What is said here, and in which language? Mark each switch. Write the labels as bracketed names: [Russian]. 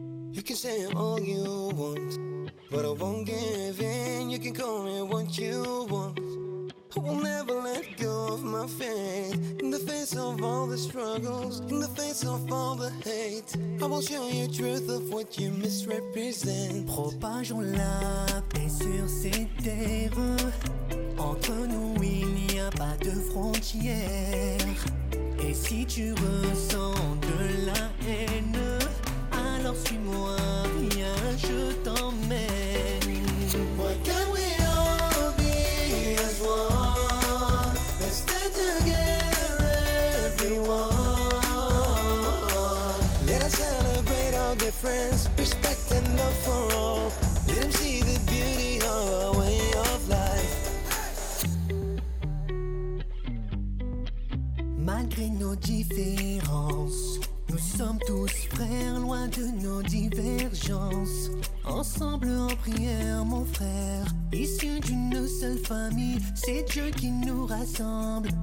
[English] You can say all you want, but I won't give in. You can call me what you want. I will never let go of my faith. In the face of all the struggles, in the face of all the hate, I will show you truth of what you misrepresent. [French] Propageons la paix sur ces terres. Entre nous il n'y a pas de frontières. Et si tu ressens de la haine, alors suis-moi, viens, je t'emmène. [English] What can we all be as one? Let's stay together, everyone. Let us celebrate our difference, respect and love for all. Let them see the beauty of our way of life. [French] Malgré nos différences, nous sommes tous frères, loin de nos divergences. Ensemble en prière, mon frère, issus d'une seule famille, c'est Dieu qui nous rassemble.